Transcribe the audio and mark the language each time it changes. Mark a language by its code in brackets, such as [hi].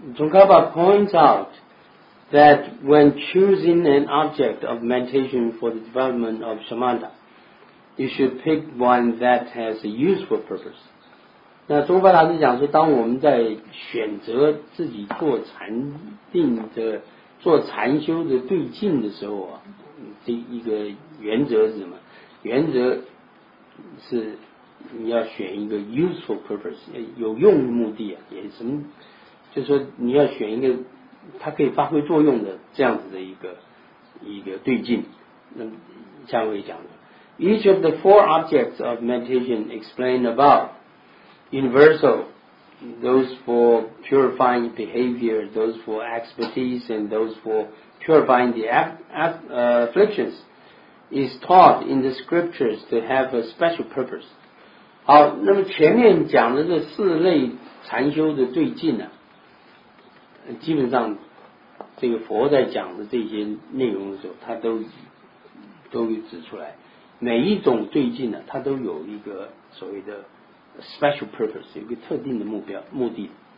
[en] Tsongkhapa points out that when choosing an object of meditation for the development of samatha, you should pick one that has a useful purpose. [zh] 那宗喀巴是讲说，当我们在选择自己做禅定的、做禅修的对境的时候啊，这一个原则是什么？原则是你要选一个 [en] useful purpose， [zh] 有用的目的啊，也什么，就是说你要选一个它可以发挥作用的这样子的一个对境。那下回讲的 [en] ，each of the four objects of meditation explained above, universal, those for purifying behavior, those for expertise, and those for purifying the afflictions, is taught in the scriptures to have a special purpose. [zh] 好，那么前面讲的这四类禅修的对境呢、基本上这个佛在讲的这些内容的时候，他都指出来，每一种对境呢，它都有一个所谓的 [en] special purpose， [zh] 有一个特定的目的。